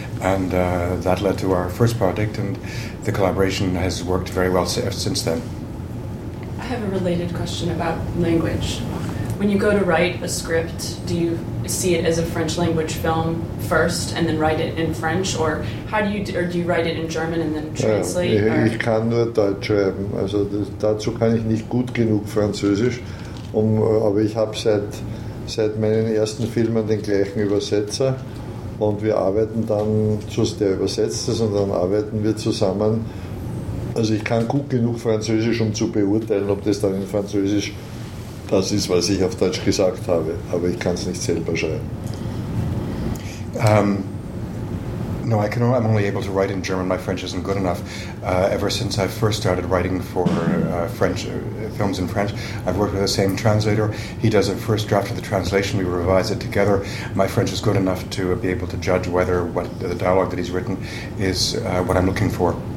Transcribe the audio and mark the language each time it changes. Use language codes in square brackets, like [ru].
[en] And that led to our first project, and the collaboration has worked very well since then. I have a related question about language. When you go to write a script, do you see it as a French language film first and then write it in French, or do you write it in German and then translate? [de] Ich kann nur Deutsch schreiben. Also dazu kann ich nicht gut genug Französisch, aber ich habe seit meinen ersten Filmen den gleichen Übersetzer, und wir arbeiten dann, der übersetzt es und dann arbeiten wir zusammen. Also ich kann gut genug Französisch, um zu beurteilen, ob das dann in Französisch das ist, was ich auf Deutsch gesagt habe, aber ich kann es nicht selber schreiben. [en] No, I'm only able to write in German. My French isn't good enough. Ever since I first started writing for French films in French, I've worked with the same translator. He does a first draft of the translation. We revise it together. My French is good enough to be able to judge whether what the dialogue that he's written is what I'm looking for.